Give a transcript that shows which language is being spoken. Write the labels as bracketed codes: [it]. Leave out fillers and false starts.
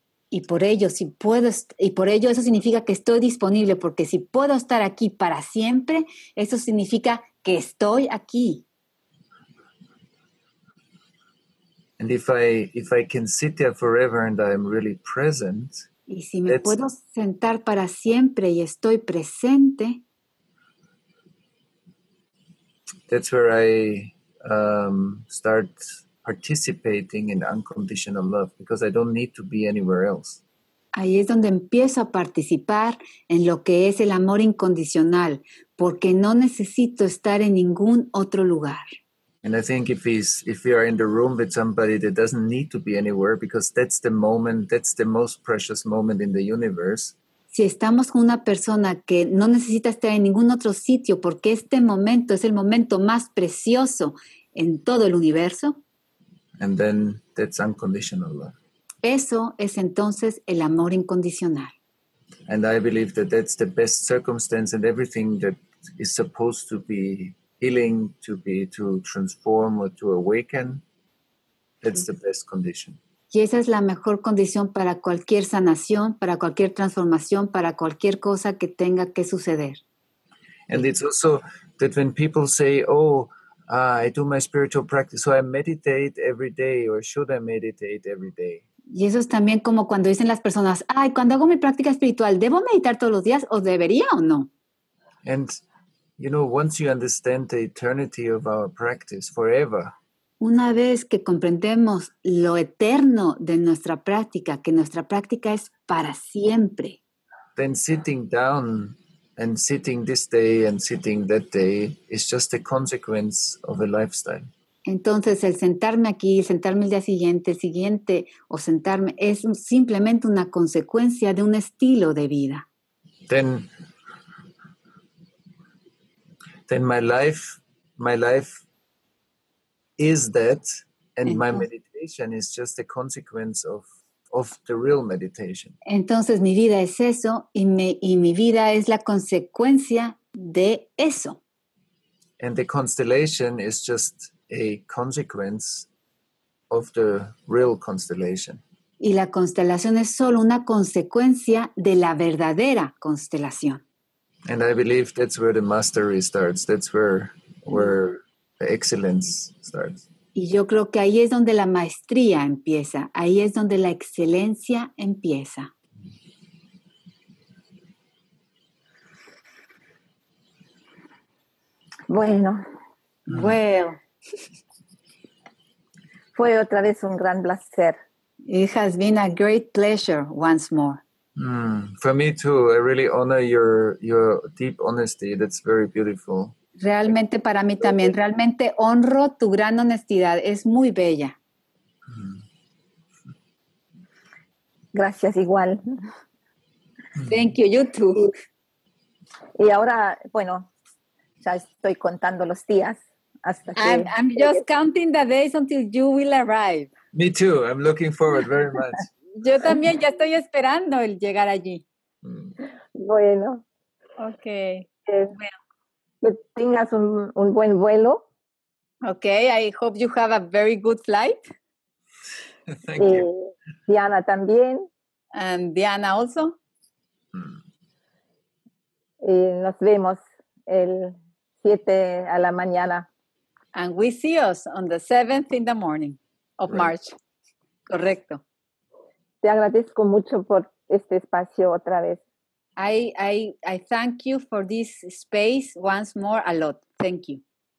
[es] Y por ello eso significa que estoy disponible, porque si puedo estar aquí para siempre, eso significa que estoy aquí. [en] And if I can sit there forever and I am really present. [es] Y si me puedo sentar para siempre y estoy presente. [en] That's where I start participating in unconditional love, because I don't need to be anywhere else. [es] Ahí es donde empiezo a participar en lo que es el amor incondicional, porque no necesito estar en ningún otro lugar. [en] And I think if you are in the room with somebody that doesn't need to be anywhere, because that's the moment, that's the most precious moment in the universe. [es] Si estamos con una persona que no necesita estar en ningún otro sitio, porque este momento es el momento más precioso en todo el universo. [en] And then that's unconditional love. [es] Eso es entonces el amor incondicional. [en] And I believe that that's the best circumstance and everything that is supposed to be healing, to be to transform or to awaken, that's the best condition. [es] Y esa es la mejor condición para cualquier sanación, para cualquier transformación, para cualquier cosa que tenga que suceder. [en] And it's also that when people say, oh, I do my spiritual practice, so I meditate every day, or should I meditate every day? [es] Y eso es también como cuando dicen las personas, ay, cuando hago mi práctica espiritual, ¿debo meditar todos los días o debería o no? [en] And, you know, once you understand the eternity of our practice, forever. [es] Una vez que comprendemos lo eterno de nuestra práctica, que nuestra práctica es para siempre. [en] Then sitting down and sitting this day and sitting that day is just a consequence of a lifestyle. [es] Entonces, el sentarme aquí, sentarme el día siguiente, el siguiente, o sentarme, es simplemente una consecuencia de un estilo de vida. [en] Then my life is that, And my meditation is just a consequence of the real meditation. [es] Entonces mi vida es eso y mi vida es la consecuencia de eso. [en] And the constellation is just a consequence of the real constellation. [es] Y la constelación es solo una consecuencia de la verdadera constelación. [en] And I believe that's where the mastery starts. That's where the excellence starts. [es] Y yo creo que ahí es donde la maestría empieza. Ahí es donde la excelencia empieza. Bueno. [en] Well. [es] Fue otra vez un gran placer. [en] It has been a great pleasure once more. For me too. I really honor your deep honesty. That's very beautiful. [es] Realmente para mí también. Realmente honro tu gran honestidad. Es muy bella. Gracias, igual. [en] Thank you, you too. [es] Y ahora, bueno, ya estoy contando los días hasta que... [en] I'm just counting the days until you will arrive. Me too. I'm looking forward very much. [es] Yo también ya estoy esperando el llegar allí. Bueno. Okay. Bueno. Que tengas un buen vuelo. [en] Okay, I hope you have a very good flight. Thank you. [es] Diana también. [en] And Diana also. [es] Y nos vemos el 7 a la mañana. [en] And we see us on the 7th in the morning of right. [es] March. Correcto. Te agradezco mucho por este espacio otra vez. [en] I thank you for this space once more a lot. Thank you.